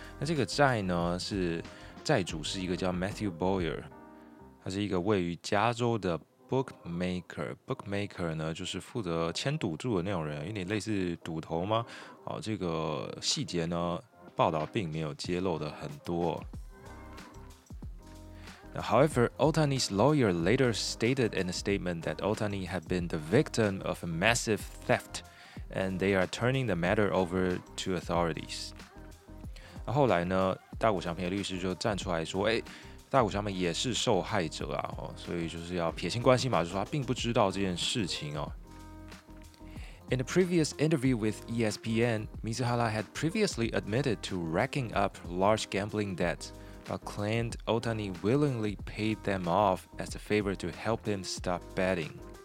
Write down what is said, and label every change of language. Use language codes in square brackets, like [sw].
[zh] 那这个债呢，是债主是一个叫 Matthew Boyer， 他是一个位于加州的Bookmaker 呢，就是负责签赌注的那种人，有点类似赌头吗？哦，这个细节呢，报道并没有揭露的很多。 [en] Now, however, Ohtani's lawyer later stated in a statement that Ohtani had been the victim of a massive theft, and they are turning the matter over to authorities. [zh] 后来呢，大谷翔平的律师就站出来说，大谷翔平也是受害者啊，所以就是要撇清关系嘛，就是说他并不知道这件事情哦。 [en] In a previous interview with ESPN, Mizuhara had previously admitted to racking up large gambling debts, but claimed Ohtani willingly paid them off as a favor to help him stop betting.